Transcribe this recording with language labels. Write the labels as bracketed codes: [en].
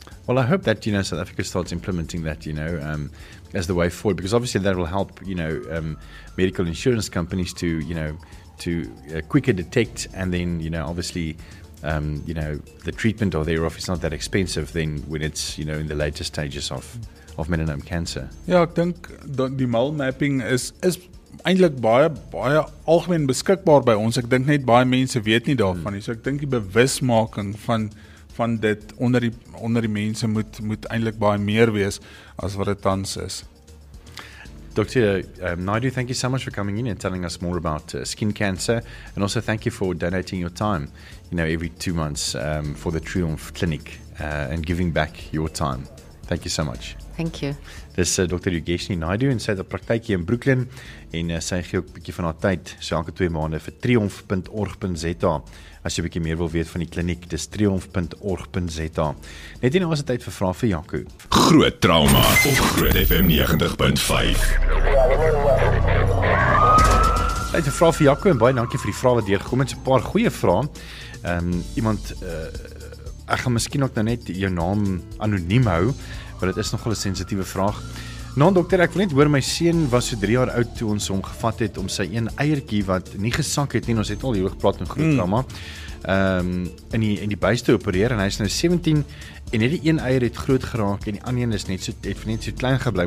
[en] Well, I hope that, you know, South Africa starts implementing that, you know, as the way forward, because obviously that will help, you know, medical insurance companies to, you know, to quicker detect, and then, you know, obviously, you know, the treatment or thereof is not that expensive then when it's, you know, in the later stages of melanoma cancer. Yeah, I think the mole mapping is [af] eintlik baie algemeen beskikbaar by ons. Ek dink net baie mense weet nie daarvan nie. So ek dink die bewusmaking van dit onder die mense moet eintlik baie meer wees as wat dit tans is. [en] Dr. Naidu, thank you so much for coming in and telling us more about skin cancer, and also thank you for donating your time, you know, every 2 months for the Triumph Clinic and giving back your time. Thank you so much. Thank you. [af] Dis Dr. Yogeshni Naidu en sy het 'n praktykie in Brooklyn en sy gee ook 'n bietjie van haar tyd, so elke 2 maande vir triumph.org.za. As jy 'n bietjie meer wil weet van die kliniek, dis triumph.org.za. Net hier nou is dit tyd vir vrae vir Jaco. Groot trauma op Groot FM 90.5. Net 'n vraag vir Jaco en baie dankie vir die vrae wat deurgekom het. 'N Paar goeie vrae. Iemand ek gaan miskien ook nou net jou naam anoniem hou. Maar dit is nogal 'n sensitiewe vraag. Nou, dokter, ek wil net hoor, my seun was so 3 jaar oud toe ons hom gevat het om sy een eiertjie wat nie gesak het nie, ons het al hier oor gepraat in groot trauma, in die buis te opereer, en hy is nou 17 en hierdie een eier het groot geraak en die ander een is net so, het net so klein gebly.